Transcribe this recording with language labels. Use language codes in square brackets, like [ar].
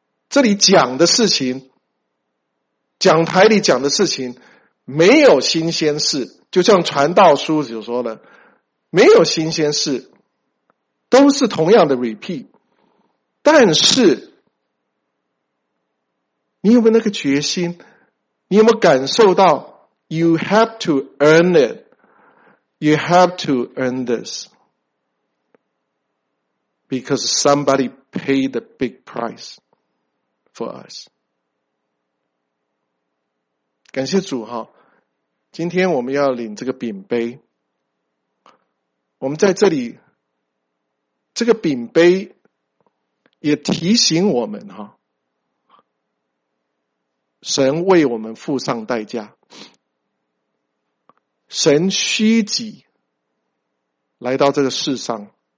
[zh] 这里讲的事情，讲台里讲的事情，没有新鲜事，就像传道书就说了，没有新鲜事，都是同样的 repeat， 但是你有没有那个决心？你有没有感受到 [en] you have to earn it， you have to earn this because somebody paid the big price for us。 [zh] 感谢主哈，今天我们要领这个饼杯，我们在这里，这个饼杯也提醒我们哈，神为我们付上代价，神虚己来到这个世上。